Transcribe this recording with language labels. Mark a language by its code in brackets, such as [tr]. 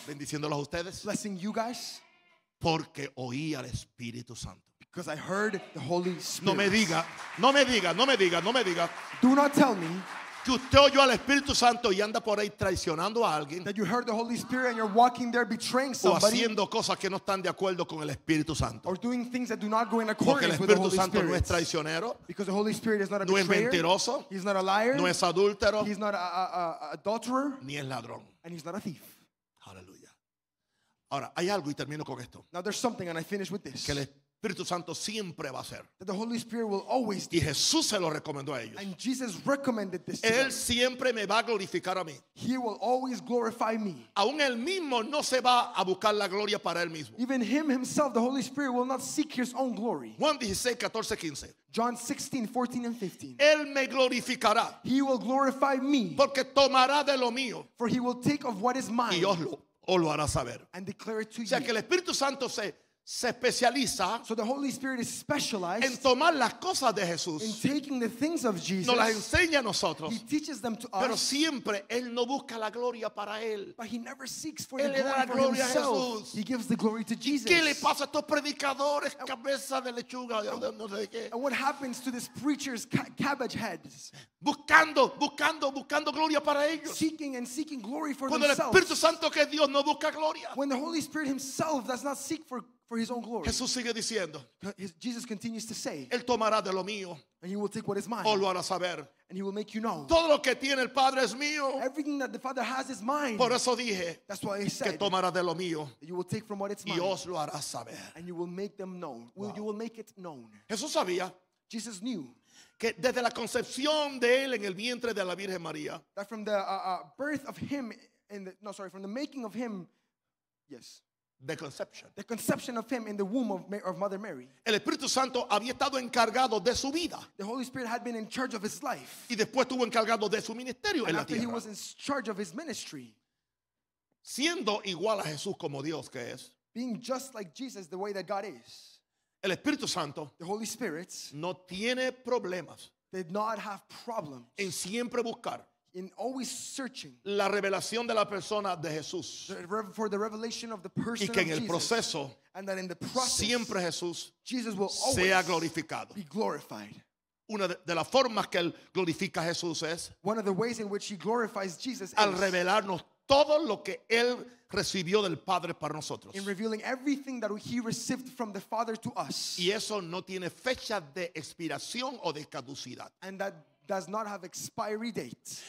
[es] Bendiciéndolos a ustedes. [en] Blessing you guys. [es] Porque oí al Espíritu Santo. [en] Because I heard the Holy Spirit. [es] No me diga. [en] Do not tell me. [es] Que usted oyó al Espíritu Santo y anda por ahí traicionando a alguien. [en] That you heard the Holy Spirit and you're walking there betraying somebody. [es] O haciendo cosas que no están de acuerdo con el Espíritu Santo. [en] Or doing things that do not go in accordance with the Holy Spirit. [es] Porque el Espíritu Santo no es traicionero. [en] Because the Holy Spirit is not a betrayer. [es] No es mentiroso. [en] He's not a liar. [es] No es adúltero. [en] He's not an adulterer. [es] Ni es ladrón. [en] And he's not a thief. [es] Aleluya. Ahora, hay algo y termino con esto. [en] Now there's something and I finish with this. [es] Que el Espíritu Santo siempre va a hacer. [en] That the Holy Spirit will always do. [es] Y Jesús se lo recomendó a ellos. [en] And Jesus recommended this to [es] Él them. Siempre me va a glorificar a mí. [en] He will always glorify me. [es] Aún Él mismo no se va a buscar la gloria para Él mismo. [en] Even Him Himself, the Holy Spirit, will not seek His own glory. [es] Juan 16, 14, 15. [en] John 16, 14 and 15. [es] Él me glorificará. [en] He will glorify me. [es] Porque tomará de lo mío. [en] For He will take of what is mine. [es] Y os lo hará saber. [en] And declare it to [es] you. O sea, [en] you. [es] Que el Espíritu Santo se especializa, [en] so the Holy Spirit is specialized [es] en tomar las cosas de Jesús, [en] in taking the things of Jesus. [es] Nos las enseña a nosotros, [en] He teaches them to us. [es] Pero siempre Él no busca la gloria para Él. [en] But He never seeks for [es] él [en] the glory, [es] da la gloria [en] for himself. [es] A Jesús. [en] He gives the glory to Jesus. [es] ¿Y qué le pasa a estos predicadores, cabeza de lechuga, no sé qué? [en] And what happens to these preachers, cabbage heads? [es] Buscando gloria para ellos. [en] Seeking and seeking glory for themselves. [es] Cuando el Espíritu Santo que es Dios no busca gloria. [en] When the Holy Spirit Himself does not seek for His own glory. [es] Jesús sigue diciendo, [en] Jesus continues to say, [es] Él tomará de lo mío, [en] and He will take what is mine, [es] o lo hará saber, [en] and He will make you know, [es] todo lo que tiene el Padre es mío, [en] everything that the Father has is mine. [es] Por eso dije, [en] that's why I said, [es] que tomará de lo mío, [en] you will take from what it's [es] y [en] mine, [es] y os lo hará saber, [en] and you will make them known. Wow. You will make it known. [es] Jesús sabía, [en] Jesus knew, [es] que desde la concepción de Él en el vientre de la Virgen María, [en] that from the birth of Him, from the making of Him, yes, The conception of Him in the womb of Mother Mary. [es] El Espíritu Santo había estado encargado de su vida. [en] The Holy Spirit had been in charge of His life. [es] Y después estuvo encargado de su ministerio [en] and [es] en la tierra. [en] And after He was in charge of His ministry. [es] Siendo igual a Jesús como Dios que es. [en] Being just like Jesus the way that God is. [es] El Espíritu Santo. [en] The Holy Spirit. [es] No tiene problemas. [en] Did not have problems. [es] En siempre buscar. [en] In always searching [es] la revelación de la persona de Jesús [en] for the revelation of the person [es] y que en el [en] Jesus, [es] proceso [en] and that in the process, [es] siempre Jesús [en] Jesus will always [es] sea glorificado. [en] Be glorified. [es] Una de las formas que Él glorifica a Jesús es [en] one of the ways in which He glorifies Jesus [es] al revelarnos todo lo que Él recibió del Padre para nosotros [en] in revealing everything that He received from the Father to us. [es] Y eso no tiene fecha de expiración o de caducidad. [en] And that does not have expiry dates.